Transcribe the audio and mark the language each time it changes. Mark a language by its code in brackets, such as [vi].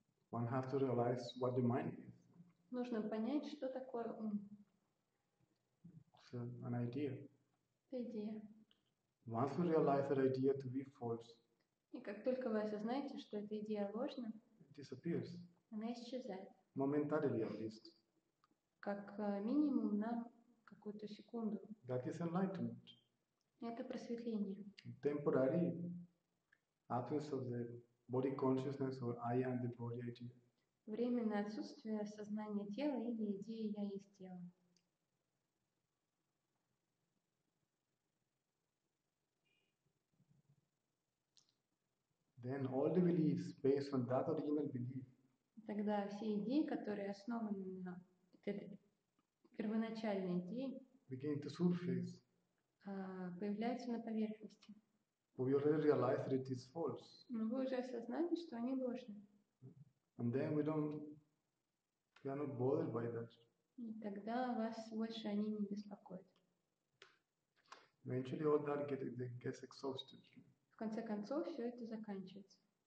[en] One has to realize what the mind is. [ru] Нужно понять, что такое ум. [en] It's an idea. [ru] Это идея. [en] Once you realize that idea to be false, [ru] и как только вы осознаете, что эта идея ложна, [en] it disappears. [ru] Она исчезает. [en] Momentarily, at least. [ru] Как минимум на какую-то секунду. [en] That is enlightenment. [ru] Это просветление. [en] Temporary absence of the body consciousness or I am the body idea. [ru] Временное отсутствие сознания тела или идеи «я есть тело». [en] Then all the beliefs based on that original belief. [ru] Тогда все идеи, которые основаны на первоначальной идее, [en] begin to surface. [ru] Появляются на поверхности. [en] But we already realize that it is false. [ru] Но вы уже осознали, что они ложны. [en] And then we are not bothered by that. [ru] И тогда вас больше они не беспокоят. [en] Eventually all that gets exhausted. [ru] В конце концов, все это заканчивается.